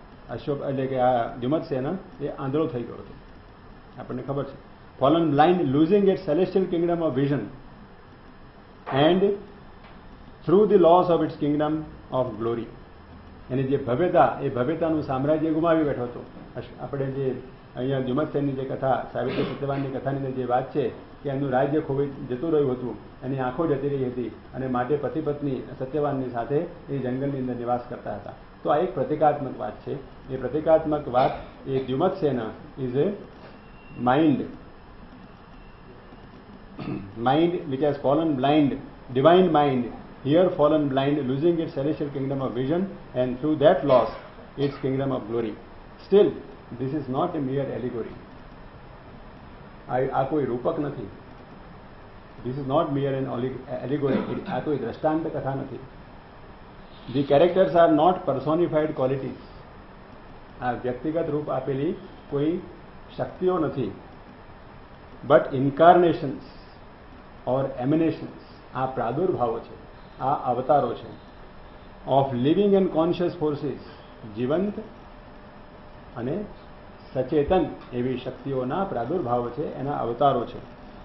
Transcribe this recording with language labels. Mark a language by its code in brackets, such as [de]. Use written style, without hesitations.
[gu] અશોક એટલે કે આ દ્યુમત સેના એ આંધળો થઈ ગયો હતો, આપણને ખબર છે. [en] fallen blind, losing its celestial kingdom of vision, and through the loss of its kingdom of glory. [gu] એની જે ભવ્યતા, એ ભવ્યતાનું સામ્રાજ્ય ગુમાવી બેઠો હતો. આપણે જે અહીંયા જુમતસેનની જે કથા, સાવિત્રી સત્યવાનની કથાની જે વાત છે કે એનું રાજ્ય ખોવાઈ જતું રહ્યું હતું, એની આંખો જતી રહી હતી, અને માટે પતિ પત્ની સત્યવાનની સાથે એ જંગલની અંદર નિવાસ કરતા હતા. તો આ એક પ્રતિકાત્મક વાત છે. એ પ્રતિકાત્મક વાત એ જુમતસેન [en] Is a mind which has fallen blind, divine mind. Here fallen blind, losing its celestial kingdom of vision, and through that loss, its kingdom of glory. Still, this is not a mere allegory. [gu] આ કોઈ રૂપક નથી. [en] This is not mere an allegory. [gu] આ કોઈ દ્રષ્ટાંત કથા નથી. [en] The characters are not personified qualities. [gu] આ વ્યક્તિગત રૂપ આપેલી કોઈ શક્તિઓ નથી. [en] But incarnations or emanations. [gu] આ પ્રાદુર્ભાવો છે. આ અવતારો છે. [en] of living and conscious forces, [gu] જીવંત અને સચેતન એવી શક્તિઓના પ્રાદુર્ભાવ છે, એના અવતારો છે.